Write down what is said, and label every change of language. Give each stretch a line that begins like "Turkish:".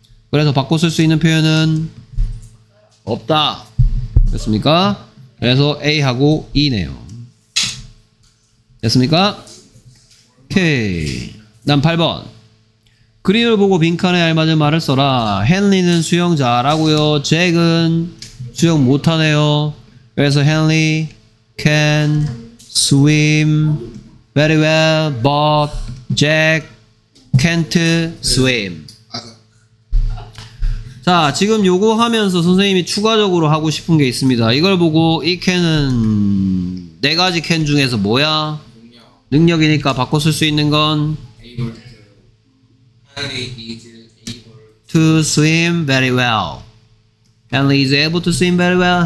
Korean: 그래서 바꿔 쓸 수 있는 표현은 없다. 됐습니까? 그래서 A하고 E네요. 됐습니까? 오케이. 다음 8번. 그림을 보고 빈칸에 알맞은 말을 써라. 헨리는 수영자라고요. 잭은 수영 못하네요.
English: 그래서 헨리 can swim very well, but Jack can't swim.
Korean: 자, 지금 요거 하면서 선생님이 추가적으로 하고 싶은 게 있습니다. 이걸 보고 이 캔은 네 가지 캔 중에서 뭐야? 능력이니까 바꿔 쓸 수 있는 건
English: Hanley is able to swim very well.